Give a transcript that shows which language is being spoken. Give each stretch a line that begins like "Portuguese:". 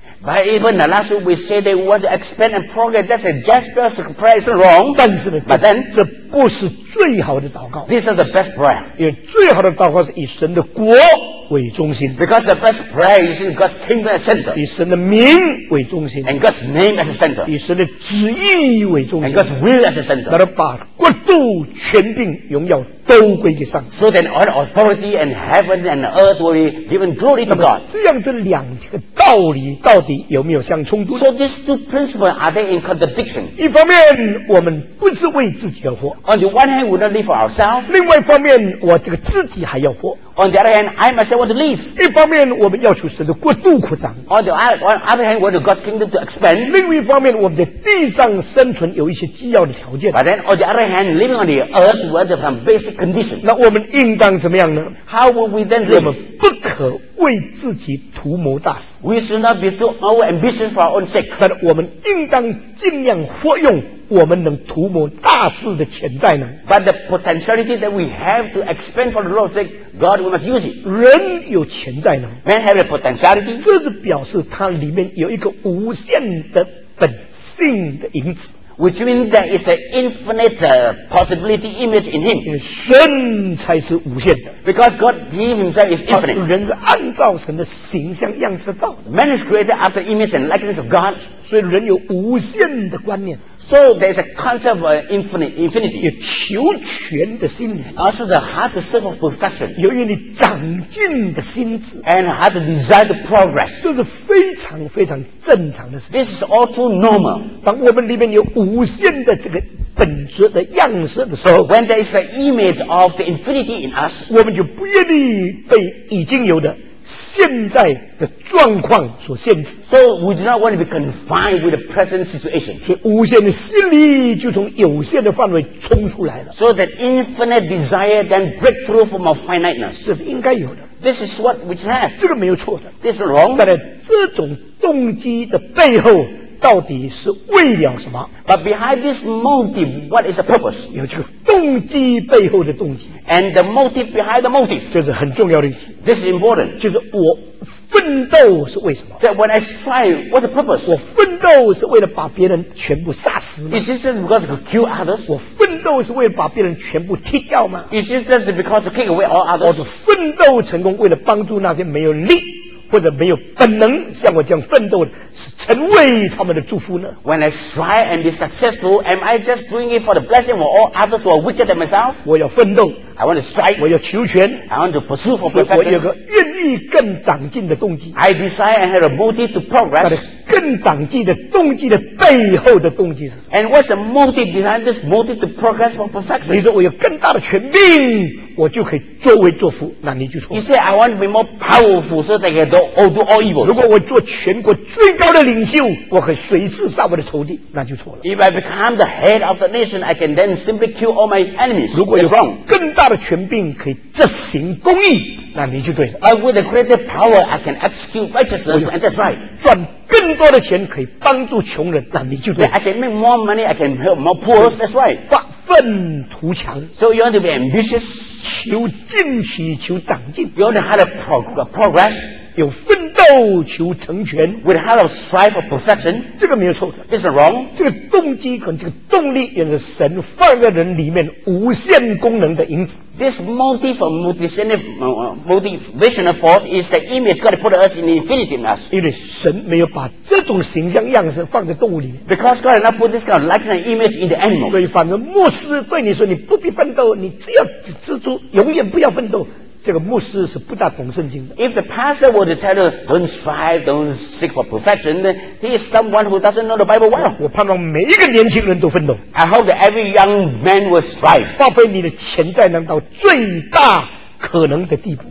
English: But even the last week we say they want to expand and progress, that's a gesture of surprise, wrong.
Chinese: 但是呢
English: ，But then
Chinese: 这不是最好的祷告。
English: This is the best prayer.
Chinese: 因为最好的祷告是以神的国为中心。
English: Because the best prayer is in God's kingdom as center.
Chinese: 以神的名为中心。
English: And God's name as a center.
Chinese: 以神的旨意为中心。
English: And God's will as a center.
Chinese: 那他把国度、权柄、荣耀都归给上帝。
English: So then all authority and heaven and earth will be given glory to God.
Chinese: 这样这两个道理到底有没有相冲突
English: ？So these two principles are they in contradiction?
Chinese: 一方面，我们不是为自己而活。
English: On the one hand, we don't live for ourselves.
Chinese: 另外一方面，我这个自己还要活。
English: On the other hand, I myself want to live.
Chinese: 一方面，我们要求神的国度扩张。
English: On the other hand, we want God's kingdom to expand.
Chinese: 另外一方面，我们在地上生存有一些必要的条件。
English: But then, on the other hand, living on the earth, we have some basic conditions.
Chinese: 那我们应当怎么样呢
English: ？How will we then live?
Chinese: 我们不可为自己图谋大事。
English: We should not be too our ambition for our own sake.
Chinese: 但我们应当尽量活用。我们能图谋大事的潜在呢
English: ？But the potentiality that we have to expand for the Lord's sake, God, we must use it.
Chinese: 人有潜在呢
English: ？Man have a potentiality.
Chinese: 这是表示它里面有一个无限的本性的影子。
English: Which means there is an infinite possibility image in him.
Chinese: 神才是无限的。
English: Because God he himself is infinite.
Chinese: 人是按照神的形象样式造。
English: Man is created after image and likeness of God.
Chinese: 所以人有无限的观念。
English: So there's a concept of infinity.
Chinese: 有求全的心灵。
English: Also the heart of self of perfection.
Chinese: 由于你长进的心智。
English: And heart of desire to progress.
Chinese: 这是非常非常正常的事。
English: This is all too normal.
Chinese: 当我们里面有无限的这个本质的样式的时候。
English: So when there is an image of the infinity in us.
Chinese: 我们就不愿意被已经有的。现在的状况所限制
English: So we do not want to be confined with the present situation
Chinese: 所以无限的心力就从有限的范围冲出来了
English: So that infinite desire then break through from our finiteness
Chinese: 这是应该有的
English: This is what we have
Chinese: 这个没有错的
English: This is wrong
Chinese: 但是这种动机的背后到底是为了什么
English: But behind this motive, what is the purpose?
Chinese: 有这个动机背后的动机
English: And the motive behind the motive
Chinese: 这是很重要的意思
English: This is important
Chinese: 就是我奋斗是为什么
English: That when I strive, what's the purpose?
Chinese: 我奋斗是为了把别人全部杀死
English: Is this just because to kill others?
Chinese: 我奋斗是为了把别人全部踢掉吗
English: Is this just because to kick away all others?
Chinese: 我是奋斗成功为了帮助那些没有力或者没有本能像我这样奋斗的是成为他们的祝福呢
English: When I strive and be successful Am I just doing it for the blessing of all others who are wicked than myself?
Chinese: 我要奋斗
English: I want to strive
Chinese: 我要求全
English: I want to pursue for perfection
Chinese: 所以我有个愿意更长进的动机
English: I desire and have a motive to progress
Chinese: 但是更长进的动机的背后的动机是什么
English: And what's the motive behind this motive to progress for perfection?
Chinese: 你说我有更大的权柄我就可以作威作福那你就错了
English: You say I want to be more powerful so that I can do all evil
Chinese: 如果我做全国最高的领袖我可以随时杀我的仇敌那就错了
English: If I become the head of the nation I can then simply kill all my enemies
Chinese: 如果有更大的权柄可以执行公义那你就对了
English: But with a greater power I can execute righteousness and that's right
Chinese: 赚更多的钱可以帮助穷人那你就对了
English: I can make more money I can help more poor that's right
Chinese: 发奋图强
English: So you want to be ambitious
Chinese: 求进取求长进
English: You want to have a progress
Chinese: 有奋斗求成全
English: with a heart of strive for perfection，
Chinese: 这个没有错的。
English: This is wrong。
Chinese: 这个动机跟这个动力，也是神放在人里面无限功能的因子。
English: This motive or motivational motivational force is the image God put us in infinity in us。
Chinese: 因为神没有把这种形象样式放在动物里面。
English: Because God did not put this kind of likeness image in the animal。
Chinese: 所以反而牧师对你说，你不必奋斗，你只要知足，永远不要奋斗。这个牧师是不大懂圣经的。
English: If the pastor were to tell you, don't strive, don't seek for perfection, then he is someone who doesn't know the Bible well.
Chinese: 我盼望每一个年轻人都奋斗。
English: I hope that every young man will strive.
Chinese: 发挥你的潜在能到最大可能的地步。